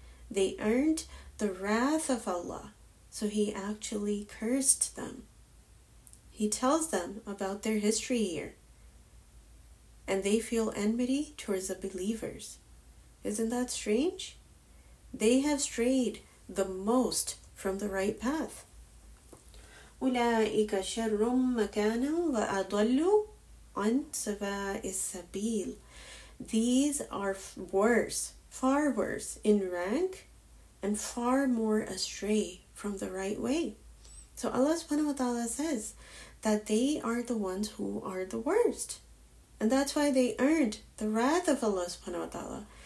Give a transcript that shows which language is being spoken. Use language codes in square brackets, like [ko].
[en] They earned the wrath of Allah, so he actually cursed them. He tells them about their history here, and they feel enmity towards the believers. Isn't that strange? They have strayed the most from the right path. [ar] أُولَٰئِكَ شَرٌّ مَكَانًا وَأَضَلُّ عَنْ سَوَاءِ السَّبِيلِ. [en] These are worse, far worse in rank, and far more astray from the right way. So Allah subhanahu wa ta'ala says that they are the ones who are the worst. And that's why they earned the wrath of Allah subhanahu wa ta'ala.